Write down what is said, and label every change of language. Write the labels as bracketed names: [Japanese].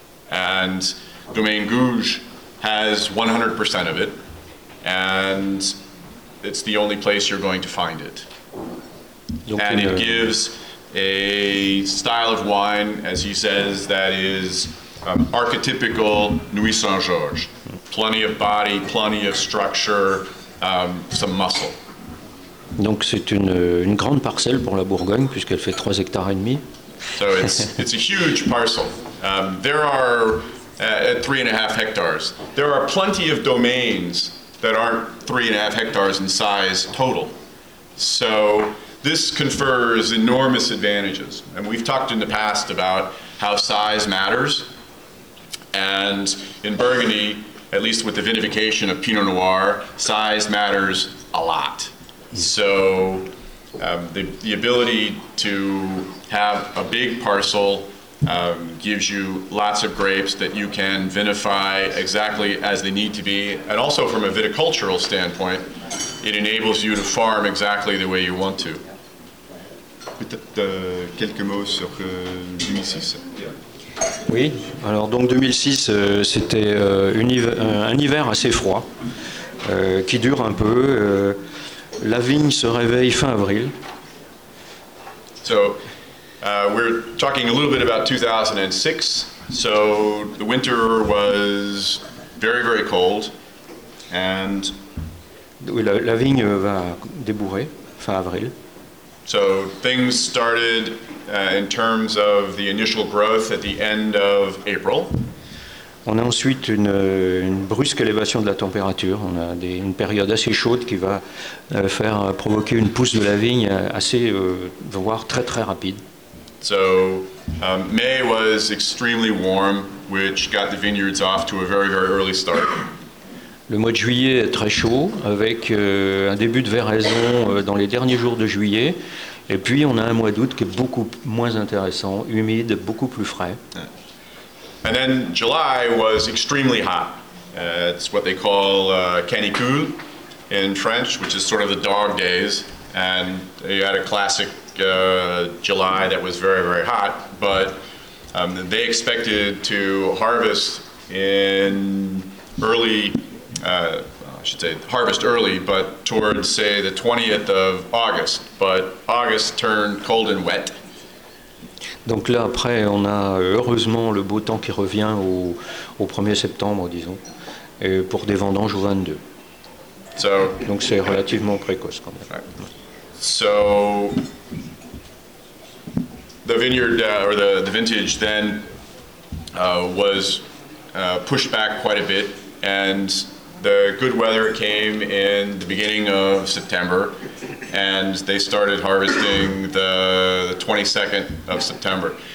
[English] And Domaine Gouge has 100% of it, and it's the only place you're going to find it. Donc and it gives a style of wine, as he says, that is archetypical Neuilly-Saint-Georges. Plenty of body, plenty of structure, some muscle. [French] Donc c'est une grande parcelle pour la Bourgogne, puisqu'elle fait 3 hectares et demi. [English] So it's a huge parcel. There are at 3.5 hectares. There are plenty of domains that aren't 3.5 hectares in size total. So This confers enormous advantages. And we've talked in the past about how size matters. And in Burgundy, at least with the vinification of Pinot Noir, size matters a lot. So the ability to have a big parcel gives you lots of grapes that you can vinify exactly as they need to be. And also from a viticultural standpoint, it enables you to farm exactly the way you want to. [French] Peut-être quelques mots sur 2006. Oui, alors donc 2006, c'était un hiver assez froid, qui dure un peu. La vigne se réveille fin avril. [English] So, we're talking a little bit about 2006. So, the winter was very, very cold. And [French] oui, la vigne va débourrer fin avril. [English] So things started in terms of the initial growth at the end of April. [French] On a ensuite une brusque élévation de la température. On a une période assez chaude qui va provoquer une pousse de la vigne assez, voire très très rapide. [English] So May was extremely warm, which got the vineyards off to a very very early start. [French] Le mois de juillet est très chaud, avec un début de veraison dans les derniers jours de juillet. Et puis, on a un mois d'août qui est beaucoup moins intéressant, humide, beaucoup plus frais. [English] And then July was extremely hot. It's what they call canicule in French, which is sort of the dog days. And you had a classic July that was very, very hot. But they expected to harvest in early... I should say harvest early, but towards, say, the 20th of August. But August turned cold and wet. [French] Donc là, après, on a heureusement le beau temps qui revient au 1er septembre, disons, et pour des vendanges au 22. [English] So, [French] donc c'est relativement précoce quand même. [English] Right. So, the vineyard, or the vintage then, was pushed back quite a bit, and the good weather came in the beginning of September, and they started harvesting the 22nd of September.